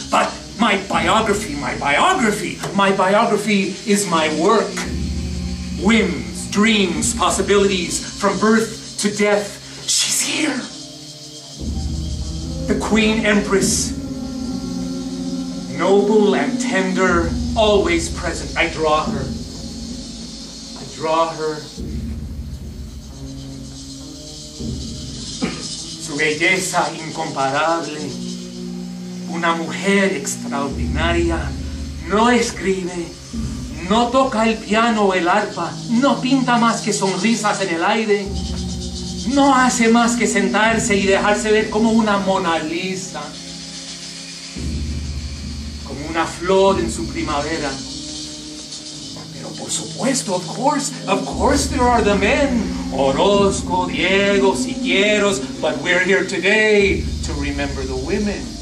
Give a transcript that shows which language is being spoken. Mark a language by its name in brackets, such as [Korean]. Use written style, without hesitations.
[English] But my biography is my work. Whims, dreams, possibilities, from birth to death, she's here. The Queen Empress, noble and tender, always present. I draw her. [Spanish] Su belleza incomparable, una mujer extraordinaria, no escribe, no toca el piano o el arpa, no pinta más que sonrisas en el aire, no hace más que sentarse y dejarse ver como una Mona Lisa, como una flor en su primavera. Pero por supuesto, [English] of course there are the men. Orozco, Diego, Siqueiros, but we're here today to remember the women.